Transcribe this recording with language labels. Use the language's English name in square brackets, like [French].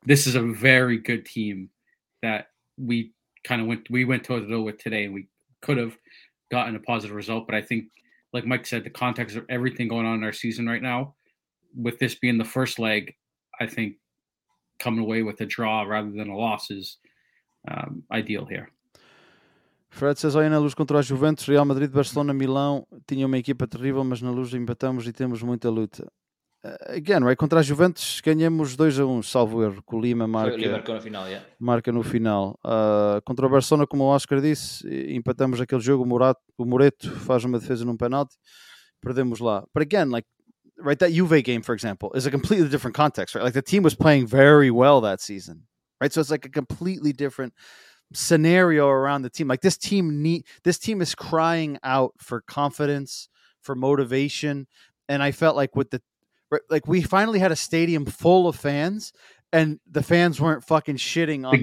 [English] This is a very good team that we kind of went toe to toe with today, and we could have gotten a positive result. But I think, like Mike said, the context of everything going on in our season right now, with this being the first leg, I think coming away with a draw rather than a loss is ideal here. [Portuguese] Fred says, olha, na luz contra a Juventus, Real Madrid, Barcelona, Milão, tinha uma equipa terrível, mas na luz empatamos e temos muita luta. [English] Again, right, [Portuguese] contra a Juventus ganhamos 2-1, salvo erro, com o Lima marca no final. Contra o Barcelona, como o Oscar disse, empatamos aquele jogo, o Moreto faz uma defesa num penalti, perdemos lá. [English] But again, like, right, that Juve game, for example, is a completely different context, right? Like, the team was playing very well that season, right? So it's like a completely different scenario around the team. Like, this team is crying out for confidence, for motivation, and I felt like with the, like, we finally had a stadium full of fans, and the fans weren't fucking shitting on the